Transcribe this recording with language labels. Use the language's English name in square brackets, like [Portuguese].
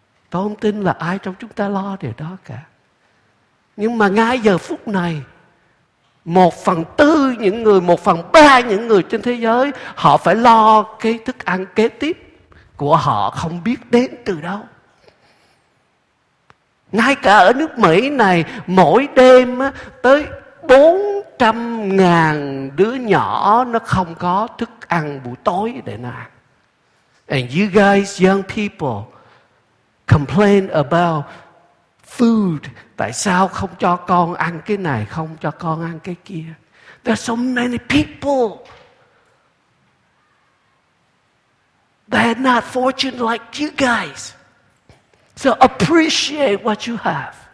[Vietnamese] Tôi không tin là ai trong chúng ta lo điều đó cả. Nhưng mà ngay giờ phút này, 1/4 những người, 1/3 những người trên thế giới, họ phải lo cái thức ăn kế tiếp của họ không biết đến từ đâu. Ngay cả ở nước Mỹ này, mỗi đêm tới 400.000 đứa nhỏ nó không có thức ăn buổi tối để nó ăn. [English] And you guys, young people, complain about food. [Vietnamese] Tại sao không cho con ăn cái này, không cho con ăn cái kia? [English] There are so many people. They are not fortunate like you guys. So appreciate what you have.